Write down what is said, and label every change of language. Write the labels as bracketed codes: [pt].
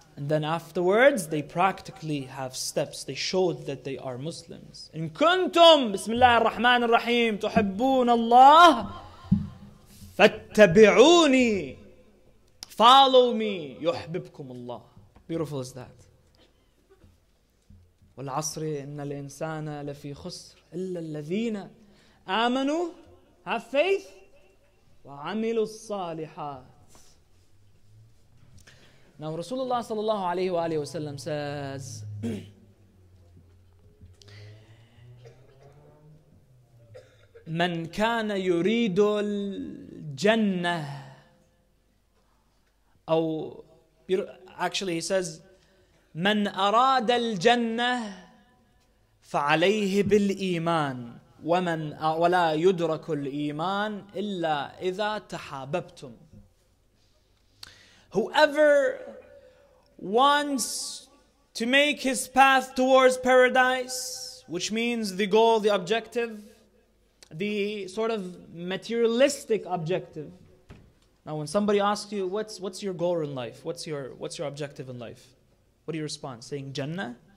[en] And then afterwards, they practically have steps. They showed that they are Muslims. [ar] إِن كُنْتُمْ بِسْمِ اللَّهِ الرَّحْمَنِ الرَّحِيمِ تُحِبُّونَ اللَّهِ فَاتَّبِعُونِي. [en] Follow me, [ar] يُحْبِبْكُمُ اللَّهِ. [en] Beautiful is that. [ar] والعصر إن الإنسان لفي خسر إلا الذين آمنوا [en] have faith [ar] وعملوا الصالحات. Now Rasulullah صلى الله عليه وآله وسلم says من كان يريد الجنة أو [en] actually he says [ar] من أراد الجنة فعليه بالإيمان ومن ولا يدرك الإيمان إلا إذا تحاببتم. [en] Whoever wants to make his path towards paradise, which means the goal, the objective, the sort of materialistic objective. Now, when somebody asks you, what's your goal in life? What's your objective in life? What do you respond? Saying Jannah?